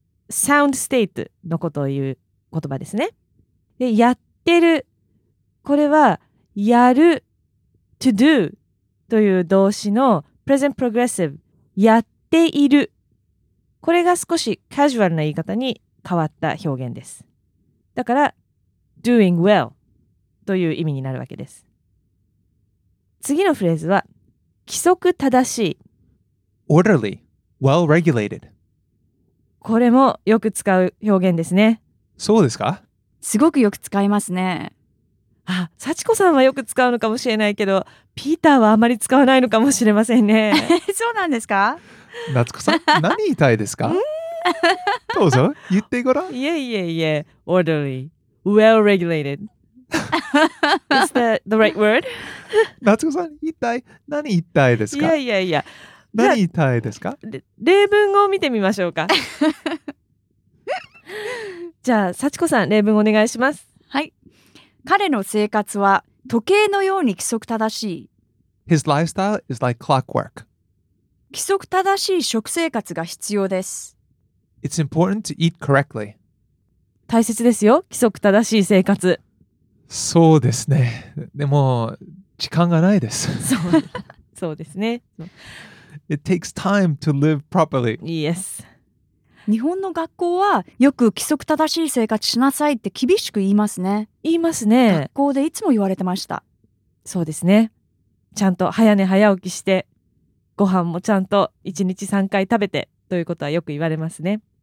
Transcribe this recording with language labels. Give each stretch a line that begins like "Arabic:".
Japanese: sound state のことを言う言葉ですねでやってるこれはやる to do という動詞の present progressive やっているこれが少しカジュアルな言い方に変わった表現です。だから、doing well という意味になるわけです。次のフレーズは、規則正しい。
English: orderly, well regulated.
Japanese: これもよく使う表現ですね。そうですか? すごくよく使いますね。あ、幸子さんはよく使うのかもしれないけど、ピーターはあまり使わないのかもしれませんね。そうなんですか? 夏子さん、何言いたいですか? どうぞ、言ってごらん。いえいえいえ、
English: orderly, well regulated. Is that the right word?
Japanese: 夏子さん、一体何言いたいですか? いやいやいや。何言いたいですか? 例文を見てみましょうか。じゃあ、幸子さん、例文お願いします。はい。彼の生活は時計のように規則正しい。
English: His lifestyle is like clockwork.
Japanese: 規則正しい食生活が必要です。
English: It's important to eat correctly.
Japanese: 大切ですよ、規則正しい生活。そうですね。でも、時間がないです。そうですね。
English: It takes time to live properly. Yes.
Japanese: 日本の学校はよく規則正しい生活しなさいって厳しく言いますね。言いますね。学校でいつも言われてました。そうですね。ちゃんと早寝早起きして、ご飯もちゃんと1日3回食べてということはよく言われますね。